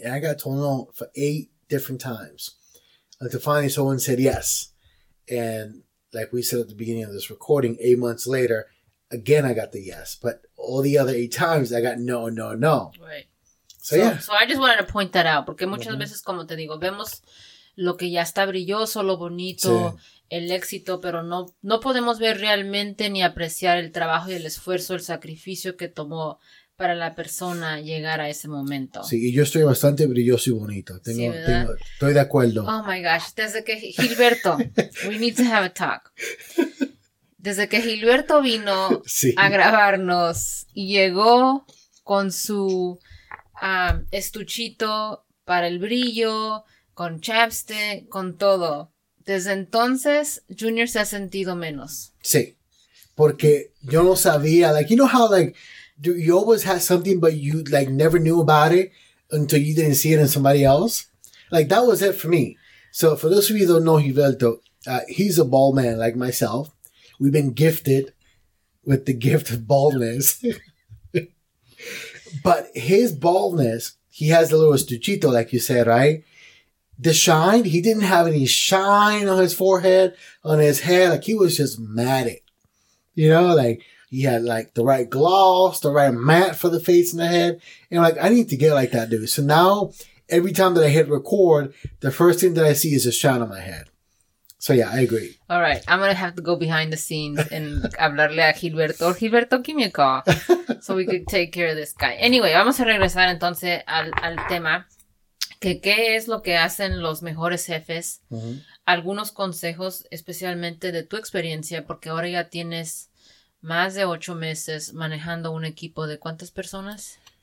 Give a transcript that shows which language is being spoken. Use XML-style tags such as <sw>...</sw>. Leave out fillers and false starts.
<en>And I got told no for 8 different times. Until finally someone said yes. And like we said at the beginning of this recording, 8 months later, again, I got the yes. But all the other 8 times, I got no, no, no. Right. So, so I just wanted to point that out.</en> <es>Porque muchas veces, como te digo, vemos lo que ya está brilloso, lo bonito, el éxito, pero no podemos ver realmente ni apreciar el trabajo y el esfuerzo, el sacrificio que tomó para la persona llegar a ese momento. Sí, y yo estoy bastante brilloso y bonito. Estoy de acuerdo.</es> <en>Oh my gosh,</en> <es>desde que Gilberto,</es> <en>we need to have a talk.</en> <es>Desde que Gilberto vino a grabarnos y llegó con su estuchito para el brillo, con chapstick, con todo. Desde entonces, Junior se ha sentido menos. Sí, porque yo no sabía,</es> <en>like, you know how, like, you always had something, but you, like, never knew about it until you didn't see it in somebody else? Like, that was it for me. So, for those of you who don't know Gilberto, he's a bald man like myself. We've been gifted with the gift of baldness. But his baldness, he has a little estuchito, like you said, right? The shine, he didn't have any shine on his forehead, on his hair. Like, he was just matted. You know, like, he had, like, the right gloss, the right matte for the face and the head. And, like, I need to get like that, dude. So now, every time that I hit record, the first thing that I see is a shine on my head. So, yeah, I agree. All right. I'm going to have to go behind the scenes and</en> <es>hablarle a Gilberto.</es> <en>Gilberto, give me a call so we could take care of this guy. Anyway,</en> <es>vamos a regresar entonces al tema. ¿Qué es lo que hacen los mejores jefes? Uh-huh. Algunos consejos, especialmente de tu experiencia, porque ahora ya tienes más de 8 meses manejando un equipo de ¿cuántas personas?</es>